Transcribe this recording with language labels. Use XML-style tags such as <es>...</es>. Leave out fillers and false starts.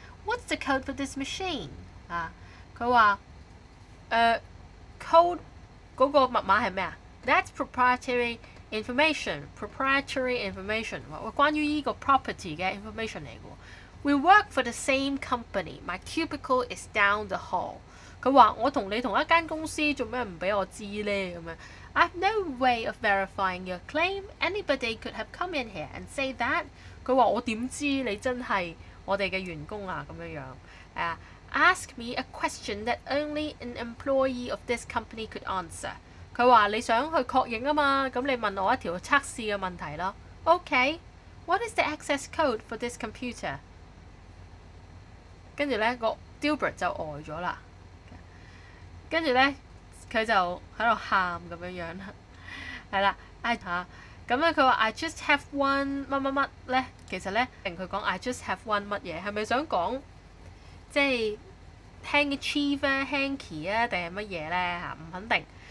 <en>What's the code for this machine？</en> <yue>啊，佢話code 嗰個密碼係咩啊？</yue> <en>That's proprietary information. Proprietary information.</en> <yue>關於依個 property 嘅 information 嚟嘅。</yue> <en>We work for the same company. My cubicle is down the hall.</en> <yue>佢話我同你同一間公司，做咩唔俾我知咧？咁樣。</yue> <en>I have no way of verifying your claim. Anybody could have come in here and say that.</en> <yue>佢話我點知你真係我哋嘅員工啊？咁樣樣。</yue> <en>Ask me a question that only an employee of this company could answer.</en> <yue>佢話你想去確認啊嘛，咁你問我一條測試嘅問題咯。</yue> <en>OK，What is the access code for this computer？</en> <yue>跟住咧個 Dilbert 就呆咗啦，跟住咧佢就喺度喊咁樣樣啦，係啦，咁咧佢話</yue> <en>I just have one</en> <yue>乜乜乜咧，其實咧令佢講 I just have one 乜嘢，係咪想講即係輕 achieve 啊、輕 key 啊，定係乜嘢咧嚇？唔肯定。</yue>